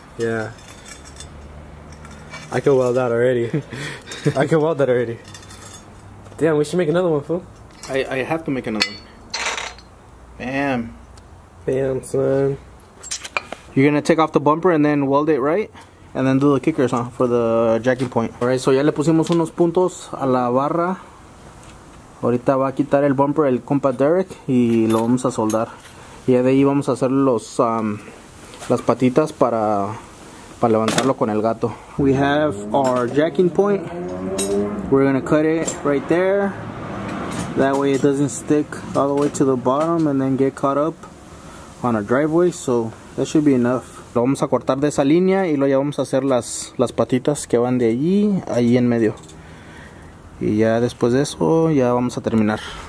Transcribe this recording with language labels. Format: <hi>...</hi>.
<en>Yeah. I could weld that already. Damn, we should make another one, fool. I have to make another one. Bam. Bam, son. You're gonna take off the bumper and then weld it, right? And then do the kickers, huh? For the jacking point.</en> <es>Alright, so ya le pusimos unos puntos a la barra. Ahorita va a quitar el bumper el compa Derek y lo vamos a soldar. Y de ahí vamos a hacer los las patitas para... Para levantarlo con el gato.</es> <en>We have our jacking point. We're gonna cut it right there. That way it doesn't stick all the way to the bottom and then get caught up on our driveway. So that should be enough.</en> <es>Lo vamos a cortar de esa línea y luego ya vamos a hacer las patitas que van de allí, ahí en medio. Y ya después de eso, ya vamos a terminar.</es>